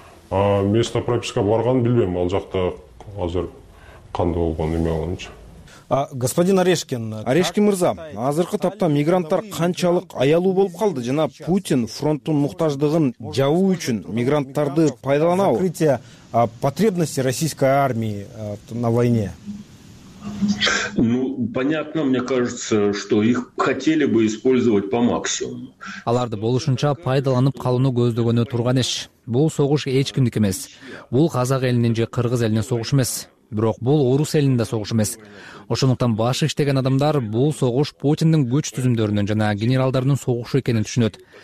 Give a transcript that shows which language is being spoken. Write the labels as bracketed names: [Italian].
[Russian] А место прописка [Kyrgyz] барганын билбейм, ал жакта азыр кандай болгон эме болгончу. Господин Орешкин мырза, азыркы тапта мигранттар канчалык аялуу болуп калды жана Путин фронттун муктаждыгын жабуу үчүн мигранттарды пайдаланабы? [Russian] Закрытие потребности российской армии на войне. Ну, понятно, мне кажется, что их хотели бы использовать по максимуму. [Kyrgyz] Аларды болушунча пайдаланып калууну көздөгөнү турган иш. Бул согуш эч кимдики эмес. Бул казак элинин же кыргыз элинин согушу эмес. Бирок бул орус элинин да согушу эмес. Ошондуктан башы иштеген адамдар бул согуш Путиндин күч түзүмдөрүнүн жана генералдарынын согушу экенин түшүнөт.